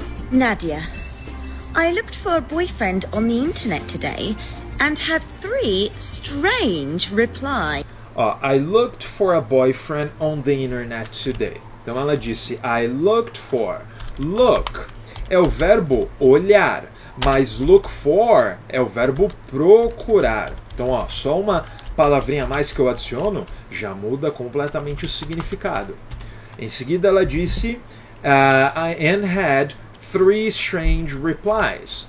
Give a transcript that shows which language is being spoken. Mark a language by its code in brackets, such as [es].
[en] Nadia, I looked for a boyfriend on the internet today and had three strange replies. I looked for a boyfriend on the internet today. [pt] Então ela disse, [en] I looked for. [pt] Look é o verbo olhar, mas look for é o verbo procurar. Então, ó, só uma palavrinha a mais que eu adiciono já muda completamente o significado. Em seguida ela disse, [en] and had three strange replies.